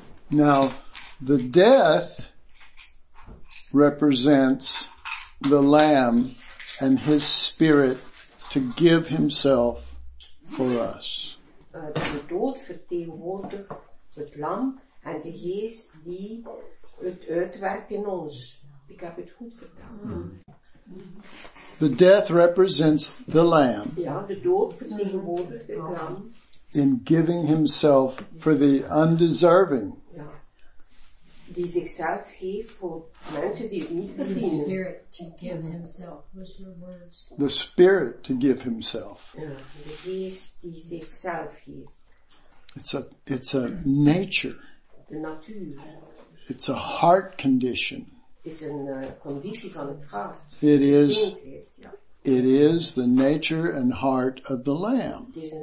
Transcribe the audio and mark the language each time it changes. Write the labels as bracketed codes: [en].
[en] Now, the death represents the Lamb and His Spirit to give Himself for us. [nl] De dood vertegenwoordigt het Lam en de Geest die het uitwerkt in ons. Ik heb het goed vertaald. [en] The death represents the Lamb. [nl] Ja, de dood vertegenwoordigt het Lam. [en] In giving himself for the undeserving. [nl] Ja. Die zichzelf geeft voor mensen die het niet verdienen. [en] The Spirit to give himself. What's your words? The Spirit to give himself. [nl] Ja, de Geest die zichzelf geeft. [en] It's a nature. [nl] De natuur. [en] It's a heart condition. [nl] Is een conditie van het hart. [en] It is. It is the nature and heart of the Lamb.